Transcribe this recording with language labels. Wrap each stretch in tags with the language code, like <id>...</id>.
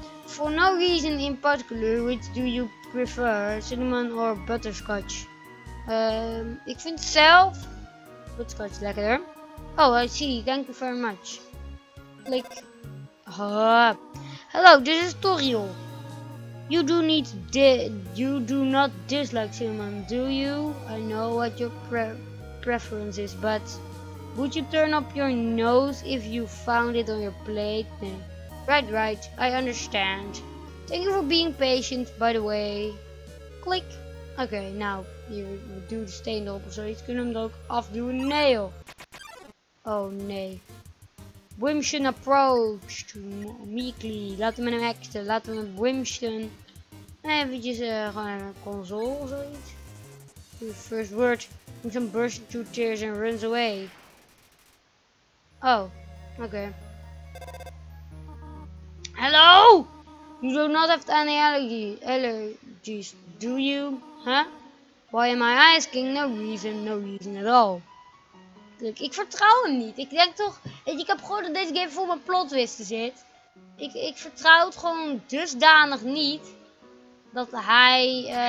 <en>For no reason in particular, which do you prefer, cinnamon or butterscotch?</en> <nl>Ik vind zelf butterscotch lekkerder.</nl> <en>Oh, I see. Thank you very much. Like, hello, this is Toriel. You do not dislike cinnamon, do you? I know what your preference is, but would you turn up your nose if you found it on your plate?</en> <nl>Nee.</nl> <en>Right, I understand. Thank you for being patient, by the way. Click. Okay, now,</en> <nl>we do de steen erop of zoiets. Kunnen we hem er ook afdoen? Nee, joh. Oh, nee.</nl> <en>Wimshun approached meekly.</en> <nl>Laten we hem acten. Laten we Wimshun. Eventjes gewoon een console of zoiets.</nl> <en>Your first word. Wimshun burst into tears and runs away. Oh, okay. Hello? You do not have any allergies, do you? Huh? Why am I asking? No reason at all.</en> <nl>Kijk, ik vertrouw hem niet. Ik denk toch. Ik heb gehoord dat deze game voor mijn plotwisten zit. Ik vertrouw het gewoon dusdanig niet. Dat hij.</nl>